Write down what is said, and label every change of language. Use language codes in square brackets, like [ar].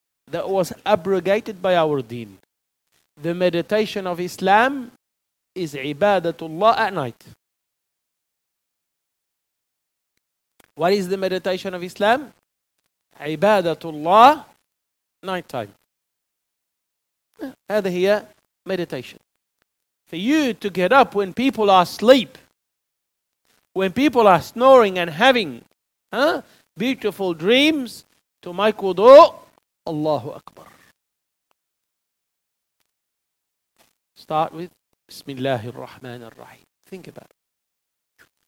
[en] That was abrogated by our deen. The meditation of Islam is ibadatullah at night. What is the meditation of Islam? Ibadatullah, night time. [ar] هذا هي meditation. [en] For you to get up when people are asleep, when people are snoring and having beautiful dreams, to make wudu, Allahu Akbar. Start with Bismillahir Rahmanir Rahim. Think about it.